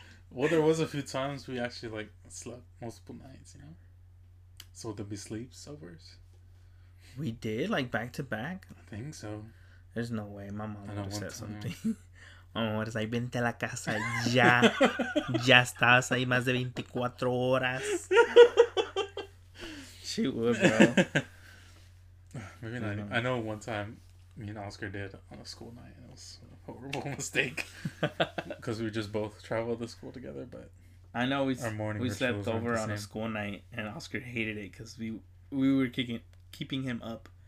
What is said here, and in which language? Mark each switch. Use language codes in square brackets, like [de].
[en] Well, there was a few times we actually like slept multiple nights, you know. So there'd be sleepovers. We did like back to back. I think so. There's no way my mom would have said something. [es] Amor, ahí vente a la casa ya. Ya estabas ahí más de 24 horas. [en] She would, bro. Maybe not. I know one time me and Oscar did on a school night, and it was a horrible mistake. Because we just both traveled to school together, but I know we slept over on a school night, and Oscar hated it because we were keeping him up.